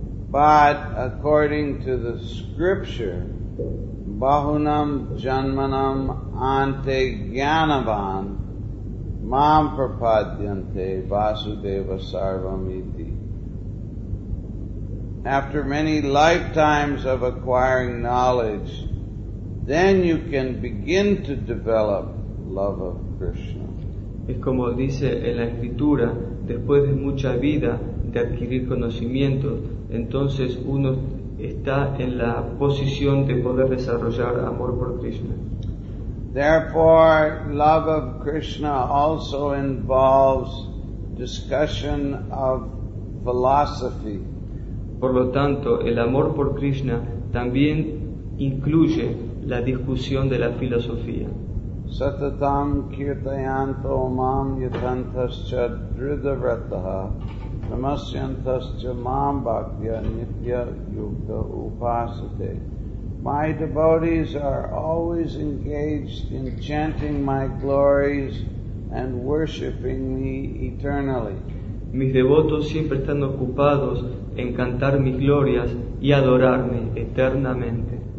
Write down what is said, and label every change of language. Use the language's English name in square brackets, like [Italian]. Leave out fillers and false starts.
[English] But according to the scripture, [Sanskrit] Bahunam Janmanam Ante Gyanavan Mam Prapadyante Vasudeva Sarvamiti. [English] After many lifetimes of acquiring knowledge, then you can begin to develop love of Krishna. [Spanish] Es como dice en la escritura, después de mucha vida de adquirir conocimiento, entonces uno está en la posición de poder desarrollar amor por Krishna. [English] Therefore, love of Krishna also involves discussion of philosophy. [Spanish] Por lo tanto, el amor por Krishna también incluye la discusión de la filosofía. [Sanskrit] Satatam kirtayanto mam yatantascha dhridavrataha namasyantascha mam bhaktya nitya yuga upasate. [English] My devotees are always engaged in chanting my glories and worshiping me eternally. [Spanish] Mis devotos siempre están ocupados en cantar mis glorias y adorarme eternamente.